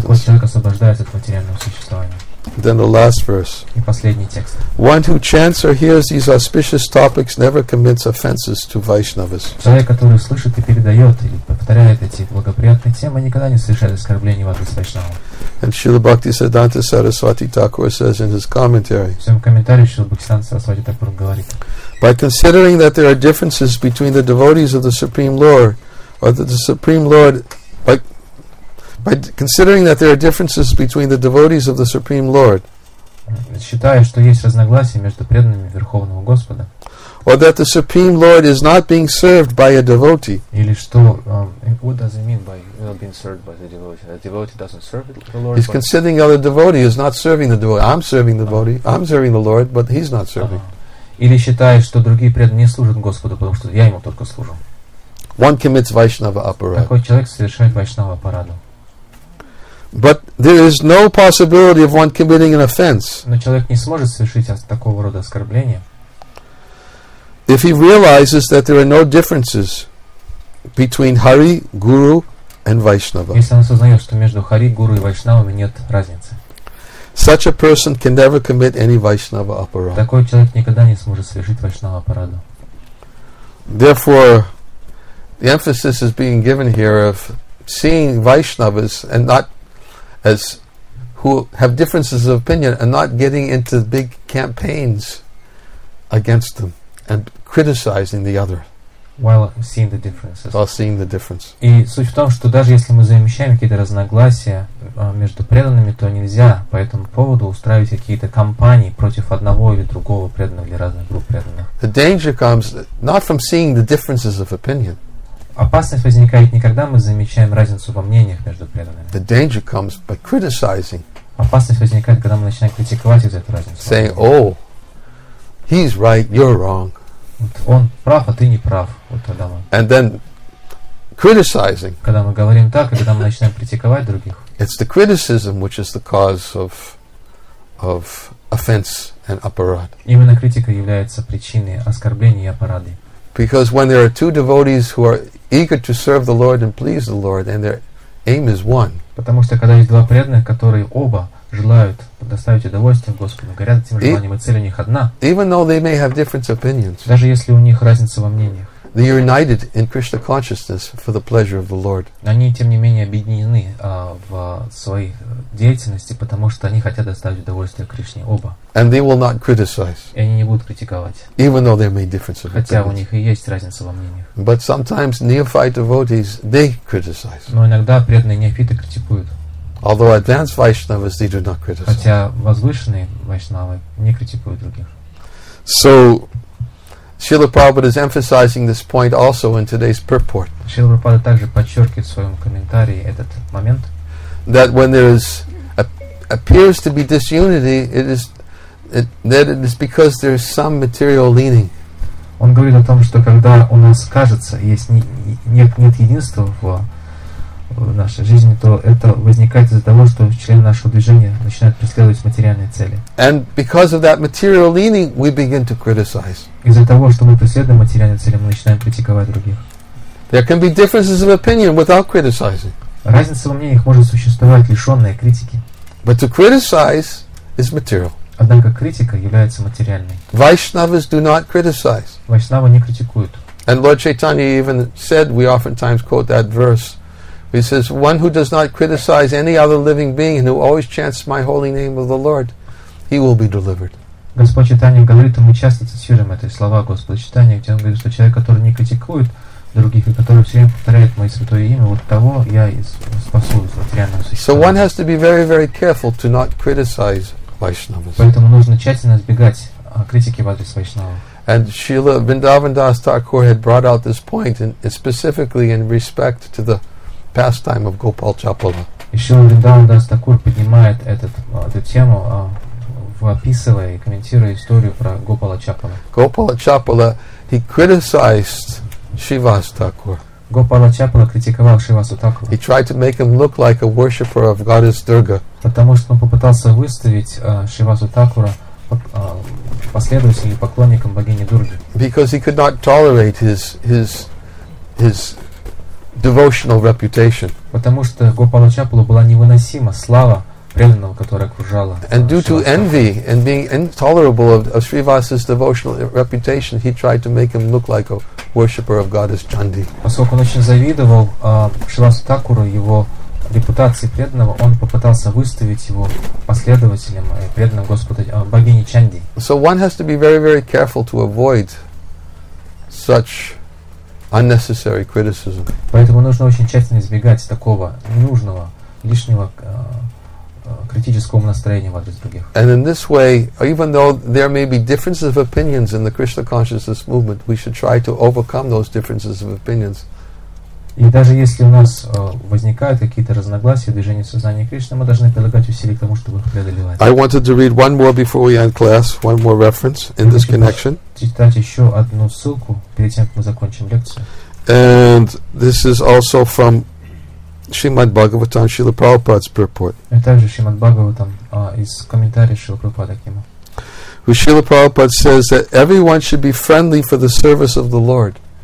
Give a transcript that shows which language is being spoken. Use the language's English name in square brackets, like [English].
[Russian] Такой человек освобождается от материального существования. [English] Then the last verse. [Russian] И последний текст. [English] One who chants or hears these auspicious topics never commits offenses to Vaishnavas. [Russian] Человек, который слышит и передает или повторяет эти благоприятные темы, никогда не совершает оскорблений в адрес Вайшнава. [English] And Srila Bhaktisiddhanta Saraswati Thakur says in his commentary. [Russian] В своем комментарии Srila Bhaktisiddhanta Saraswati Thakur говорит. [English] By considering that there are differences between the devotees of the Supreme Lord, or that the Supreme Lord, By considering that there are differences between the devotees of the Supreme Lord, [Russian] считая, что есть разногласия между преданными Верховного Господа, [English] or that the Supreme Lord is not being served by a devotee, [Russian] или что, [English] what does it mean by not being served by the devotee? A devotee doesn't serve the Lord. He's considering that the devotee is not serving the devotee. I'm serving the devotee. I'm serving the Lord, but he's not serving. [Russian] Или считая, что другие преданные не служат Господу, потому что я ему только служу. [English] One commits Vaishnava aparada. [Russian] Такой человек совершает Вайшнава апараду. [English] But there is no possibility of one committing an offense. [Russian] Но человек не сможет совершить такого рода оскорбление. [English] If he realizes that there are no differences between Hari, Guru, and Vaishnava. [Russian] Если он осознает, что между Хари, Гуру и Вайшнавами нет разницы. [English] Such a person can never commit any Vaishnava aparada. [Russian] Такой человек никогда не сможет совершить Вайшнава апараду. [English] Therefore, the emphasis is being given here of seeing Vaishnavas and not as who have differences of opinion and not getting into big campaigns against them and criticizing the other. While seeing the differences. While seeing the difference. [Russian] И суть в том, что даже если мы замечаем какие-то разногласия между преданными, то нельзя по этому поводу устраивать какие-то кампании против одного или другого преданного или разных групп преданных. [English] The danger comes not from seeing the differences of opinion. [Russian] Опасность возникает не когда мы замечаем разницу во мнениях между преданными. [English] The danger comes by criticizing. [Russian] Опасность возникает, когда мы начинаем критиковать из-за этой разницы. [English] Saying, oh, he's right, you're wrong. [Russian] Вот он прав, а ты не прав. Вот тогда мы. [English] And then criticizing. [Russian] Когда мы говорим так, и когда мы начинаем критиковать других. [English] It's the criticism which is the cause of offense and aparad. [Russian] Именно критика является причиной оскорблений и апарады. [English] Because when there are two devotees who are eager to serve the Lord and please the Lord, and their aim is one. [Russian] Потому что когда есть два преданных, которые оба желают доставить удовольствие Господу, горят этим желанием, и цель у них одна. [English] Even though they may have different opinions. [Russian] Даже если у них разница во мнениях. [English] They are united in Krishna consciousness for the pleasure of the Lord. [Russian] Они тем не менее объединены в своей деятельности, потому что они хотят доставить удовольствие Кришне оба. [English] And they will not criticize. [Russian] И они не будут критиковать. [English] Even though there may differences. [Russian] Хотя у них и есть разница во мнениях. [English] But sometimes neophyte devotees they criticize. [Russian] Но иногда преданные неофиты критикуют. [English] Although advanced Vaishnavas they do not criticize. [Russian] Хотя возвышенные вайшнавы не критикуют других. [English] So Srila Prabhupada is emphasizing this point also in today's purport. [Russian] Srila Prabhupada также подчеркивает в своем комментарии этот момент. [English] That when there is appears to be disunity, it is because there is some material leaning. [Russian] Он говорит о том, что когда у нас кажется, есть нет единства в нашей жизни, то это возникает из-за того, что члены нашего движения начинают преследовать материальные цели. [English] And because of that material leaning, we begin to criticize. [Russian] Из-за того, что мы преследуем материальные цели, мы начинаем критиковать других. [English] There can be differences of opinion without criticizing. [Russian] Разница во мнениях может существовать лишённая критики. [English] But to criticize is material. [Russian] Однако критика является материальной. [English] Vaishnavas do not criticize. [Russian] Вайшнавы не критикуют. [English] And Lord Chaitanya even said, we oftentimes quote that verse, he says, one who does not criticize any other living being and who always chants my holy name of the Lord, he will be delivered. [Russian] Господь Читания говорит, и мы часто цитируем эти слова Господа Читания, где Он говорит, что человек, который не критикует других и который все время повторяет Мое Святое Имя, вот того я и спасу из материального существования. [English] So one has to be very, very careful to not criticize Vaishnavas. [Russian] Поэтому нужно тщательно избегать критики в адрес Вайшнава. [English] And Srila Vrindavan Das Thakur had brought out this point in specifically in respect to the pastime of Gopal Chapala. [Russian] И Шрила Вриндаван Дас Такур поднимает эту тему, описывая и комментируя историю про Гопала Чапала. [English] Gopala Chapala, he criticized Shrivas Thakur. [Russian] Gopala Chapala критиковал Шривасу Такура. [English] He tried to make him look like a worshipper of goddess Durga. [Russian] Потому что он попытался выставить Шривасу Такура последователем и поклонником богини Дурги. [English] Because he could not tolerate his devotional reputation. [Russian] Потому что Гопала Чапала была невыносима слава. [English] And due to envy and being intolerable of Srivas's devotional reputation, he tried to make him look like a worshipper of goddess Chandi. [Russian] Поскольку он очень завидовал Шривасу Такуру, его репутации преданного, он попытался выставить его последователем и преданным Господа богини Чанди. [English] So one has to be very, very careful to avoid such unnecessary criticism. [Russian] Поэтому нужно очень тщательно избегать такого ненужного, лишнего критическому настроению в адрес других. [English] And in this way, even though there may be differences of opinions in the Krishna consciousness movement, we should try to overcome those differences of opinions. [Russian] И даже если у нас возникают какие-то разногласия в движении сознания Кришны, мы должны прилагать усилия к тому, чтобы их преодолевать. [English] I wanted to read one more before we end class, one more reference in this connection. [Russian] Читать еще одну ссылку перед тем, как мы закончим лекцию. [English] And this is also from Shrimad Bhagavatam, Srila Prabhupada's purport. Who Srila Prabhupada says that everyone should be friendly for the service of the Lord.